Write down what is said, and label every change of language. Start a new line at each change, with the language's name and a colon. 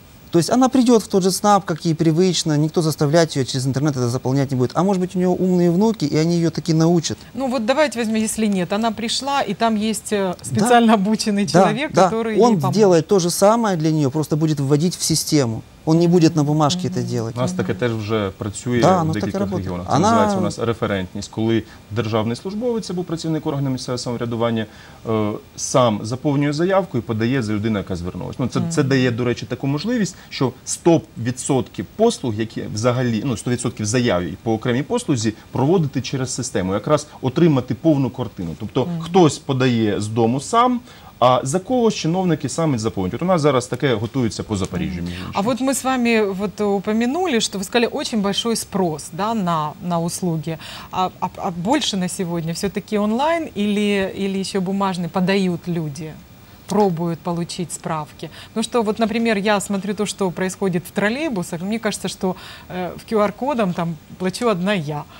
Russian: То есть она придет в тот же СНАП, как ей привычно, никто заставлять ее через интернет это заполнять не будет. А может быть, у нее умные внуки, и они ее таки научат. Ну вот давайте возьмем, если нет. Она пришла, и там есть специально обученный человек, который он сделает то же самое для нее, просто будет вводить в систему. Он не будет на бумажке это делать.
Ukrainian: У нас таке теж вже працює в деяких регіонах. Це називається у нас референтність. Коли державний службовець або працівник органу місцевого самоврядування сам заповнює заявку і подає за людину, яка звернулася. Ну, це дає, до речі, таку можливість, що 100% послуг, які взагалі, ну, 100% заяв по окремій послузі, проводити через систему. Якраз отримати повну картину. Тобто, хтось подає з дому сам, а за кого чиновники сами заповнюють? У нас зараз таке готується по Запоріжжю.
Russian: А вот мы с вами вот упомянули, что вы сказали, очень большой спрос, да, на услуги. А больше на сегодня все-таки онлайн или еще бумажные подают люди? Пробуют получить справки. Ну что, вот, например, я смотрю то, что происходит в троллейбусах, мне кажется, что в QR-кодом там плачу одна я.